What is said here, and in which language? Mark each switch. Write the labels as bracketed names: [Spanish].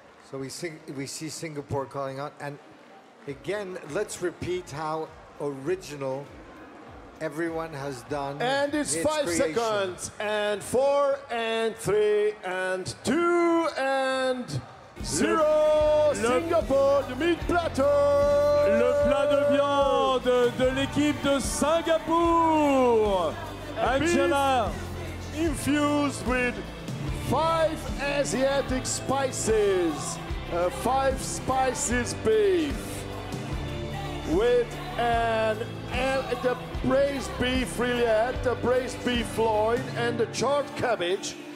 [English] So we see Singapore calling out, and again, let's repeat how original everyone has done. And it's its 5 creation. Seconds, and 4 and 3, and 2 and 0. Singapore, the meat platter. [French] Le plat de viande de l'équipe de Singapour. [English] Angela. Infused with 5 Asiatic spices. 5 spices beef. With the braised beef rillette, the braised beef loin, and the charred cabbage.